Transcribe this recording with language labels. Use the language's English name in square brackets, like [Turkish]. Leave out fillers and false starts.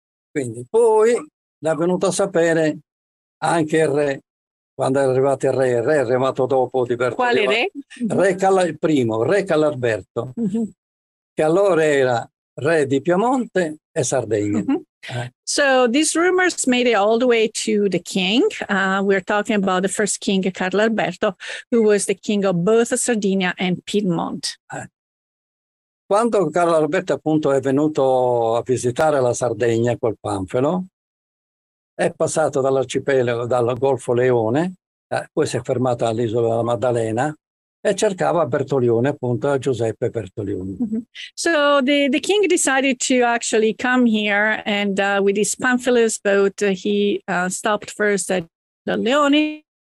[Italian] Quindi poi l'ha venuto a sapere anche il re, quando è arrivato il re è arrivato dopo di Bertolino. Quale re? Re Calalberto, che allora era re di Piemonte e Sardegna. Mm-hmm. [English] So these rumors made it all the way to the king. We're talking about the first king, Carlo Alberto, who was the king of both Sardinia and Piedmont. [Italian] Quando Carlo Alberto appunto è venuto a visitare la Sardegna col Panfilo, è passato dall'arcipelago, dal Golfo Leone, poi si è fermato all'isola della Maddalena, e cercava Bertolione, appunto, Giuseppe Bertolione. Mm-hmm. [English] So the king decided to actually come here, and with his Pamphilus boat, he stopped first at the Leone.